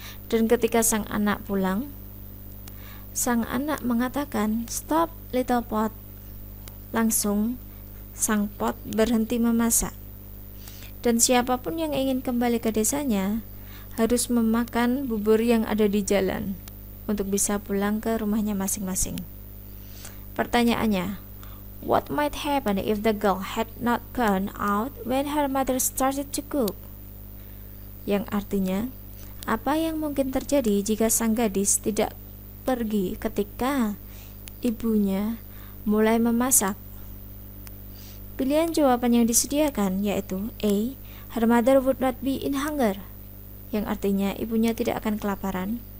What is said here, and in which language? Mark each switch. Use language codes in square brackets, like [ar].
[id] Dan ketika sang anak pulang, sang anak mengatakan, [en] "Stop little pot." [id] Langsung sang pot berhenti memasak. Dan siapapun yang ingin kembali ke desanya harus memakan bubur yang ada di jalan untuk bisa pulang ke rumahnya masing-masing. Pertanyaannya, [en] what might happen if the girl had not gone out when her mother started to cook? [id] Yang artinya, apa yang mungkin terjadi jika sang gadis tidak pergi ketika ibunya mulai memasak? Pilihan jawaban yang disediakan yaitu A, [en] her mother would not be in hunger, [id] yang artinya ibunya tidak akan kelaparan.